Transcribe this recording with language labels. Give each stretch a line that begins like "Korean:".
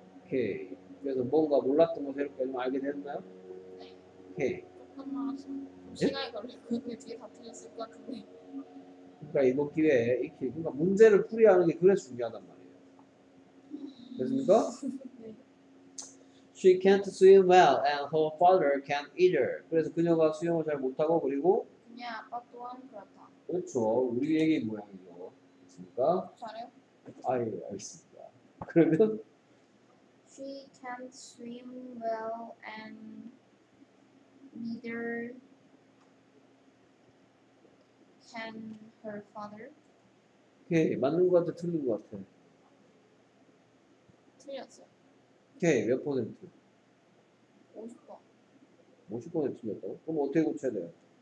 Korean: 오케이. 그래서 뭔가 몰랐던 거 새롭게 좀 알게 됐나요? 네. 오케이. 조금만 하시면 시간이 걸리고 뒤에 다 틀렸을 것 같은데. 그러니까 이번 기회에 이렇게 그러니까 문제를 풀이하는 게 그래서 중요하단 말이야. 됐습니까?
English: She can't swim well and her father can't either.
Korean: 그래서 그녀가 수영을 잘 못하고 그리고 그녀 아빠 또한 그렇다. 그렇죠. 우리 얘기 모양이죠. 됐습니까? 잘해요? 아예 알겠습니다. 그러면
English: She can't swim well and neither can her father.
Korean: 오케이. 맞는 것 같아 틀린 것 같아. 틀렸어요. 오케이. 몇 퍼센트? 50번. 50번에 틀렸다고? 그럼 어떻게 고쳐야 돼요?